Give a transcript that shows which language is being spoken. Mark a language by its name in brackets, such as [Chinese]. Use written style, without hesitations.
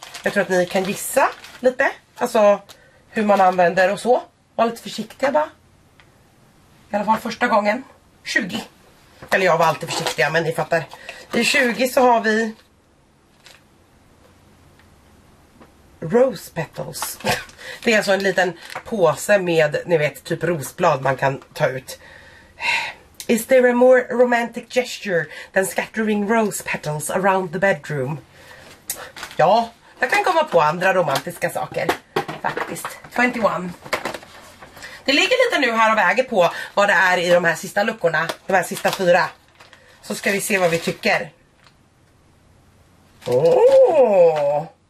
[Swedish] Jag tror att ni kan gissa lite. Alltså hur man använder och så. Var lite försiktiga bara. I alla fall första gången. 20. Eller jag var alltid försiktiga, men ni fattar. I 20 så har vi [English] rose petals. [Swedish] Det är alltså en liten påse med, ni vet, typ rosblad man kan ta ut. [English] Is there a more romantic gesture than scattering rose petals around the bedroom? [Swedish] Ja, jag kan komma på andra romantiska saker faktiskt. 21. Det ligger lite nu här och väger på vad det är i de här sista luckorna, de här sista fyra. Så ska vi se vad vi tycker. Åh!